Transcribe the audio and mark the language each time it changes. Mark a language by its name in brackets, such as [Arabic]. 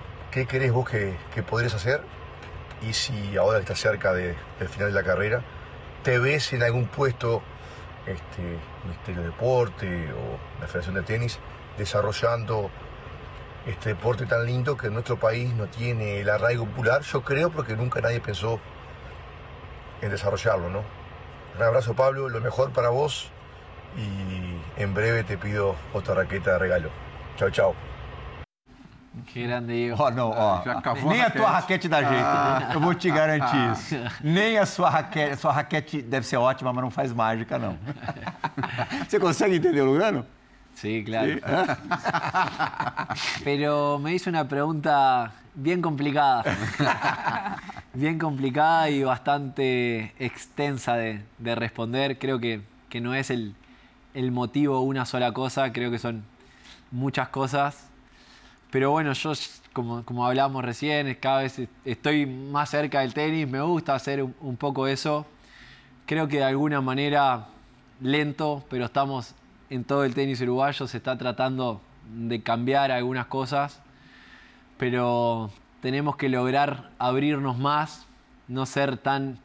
[Spanish] ¿Qué crees vos que podrías hacer? Y si ahora que estás cerca del final de la carrera, ¿te ves en algún puesto, Ministerio de Deporte o la Federación de Tenis, desarrollando este deporte tan lindo que en nuestro país no tiene el arraigo popular? Yo creo, porque nunca nadie pensó en desarrollarlo, ¿no? Un abrazo, Pablo, lo mejor para vos y en breve te pido otra raqueta de regalo. Chao, chao. [Portuguese] Que grande, Diego. Oh, não, ó. Nem a tua raquete dá jeito. Eu vou te garantir isso. Nem a sua raquete. Sua raquete deve ser ótima, mas não faz mágica, não. Você consegue entender o Lugano? Sim, claro. [Spanish] Pero me hizo [Portuguese] uma pergunta bem complicada. Bem complicada e bastante extensa de responder. [Spanish] Creo que [Portuguese] não é el motivo uma sola coisa. [Spanish] Creo que [Portuguese] são muitas coisas. [Spanish] Pero bueno, yo, como hablábamos recién, cada vez estoy más cerca del tenis, me gusta hacer un poco eso. Creo que de alguna manera, lento, pero estamos en todo el tenis uruguayo, se está tratando de cambiar algunas cosas, pero tenemos que lograr abrirnos más, no ser tan...